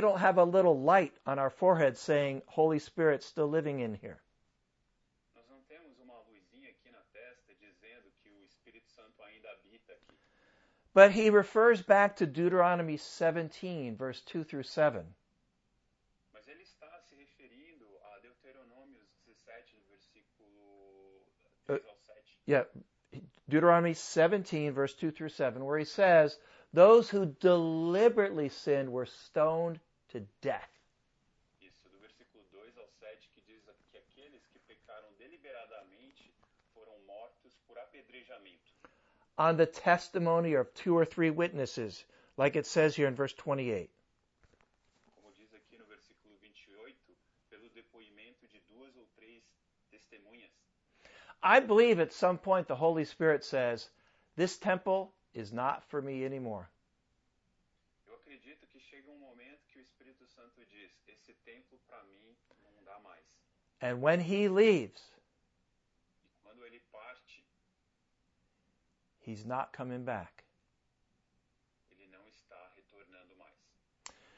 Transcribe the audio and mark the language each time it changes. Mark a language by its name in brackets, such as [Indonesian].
[English] don't have a little light on our forehead saying, Holy Spirit still living in here. [Portuguese] Nós não temos uma luzinha aqui na testa dizendo que o Espírito Santo ainda habita aqui. [English] But he refers back to Deuteronomy 17, verse 2 through 7. [Portuguese] Mas ele está se referindo a Deuteronômio 17, versículo 3 ao 7. [English] Yeah, Deuteronomy 17, verse 2 through 7, where he says, those who deliberately sinned were stoned to death. [Portuguese] Isso, do versículo 2 ao 7, que diz que aqueles que pecaram deliberadamente foram mortos por apedrejamento. [English] On the testimony of two or three witnesses, like it says here in verse 28. [Portuguese] Como diz aqui no versículo 28, pelo depoimento de duas ou três testemunhas. [English] I believe at some point the Holy Spirit says, this temple is not for me anymore. [Portuguese] Eu acredito que chega um momento que o Espírito Santo diz, esse templo para mim não dá mais. [English] And when he leaves, [Portuguese] e quando ele parte, [English] he's not coming back. [Portuguese] Ele não está retornando mais.